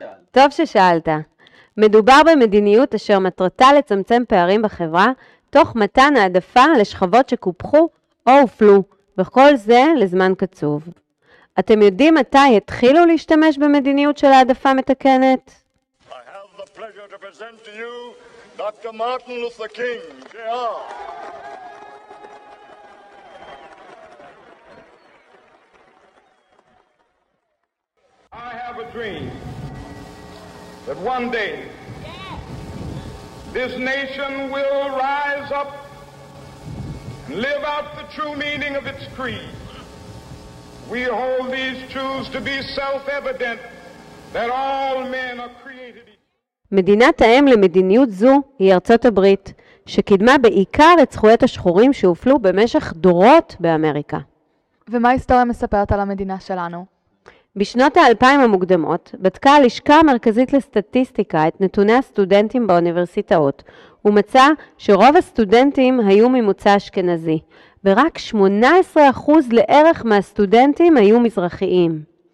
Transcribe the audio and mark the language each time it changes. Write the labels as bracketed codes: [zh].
[he] טוב ששאלת. מדובר במדיניות אשר מטרתה לצמצם פערים בחברה, תוך מתן העדפה לשכבות שקופחו או הופלו, וכל זה לזמן קצוב. אתם יודעים מתי התחילו להשתמש במדיניות של העדפה מתקנת? [en] I have the pleasure to present to you Dr. Martin Luther King, J.R. I have a dream. That one day this nation will rise up and live out the true meaning of its creed. We hold these truths to be self-evident that all men are created equal. [he] מדינת האם למדיניות זו היא ארצות הברית, שקידמה בעיקר את זכויות השחורים שהופלו במשך דורות באמריקה. ומה ההיסטוריה מספרת על המדינה שלנו? בשנות ה-2000 המוקדמות, בדקה הלשכה המרכזית לסטטיסטיקה את נתוני הסטודנטים באוניברסיטאות, ומצא שרוב הסטודנטים היו ממוצא אשכנזי, ורק 18% לערך מהסטודנטים היו מזרחיים.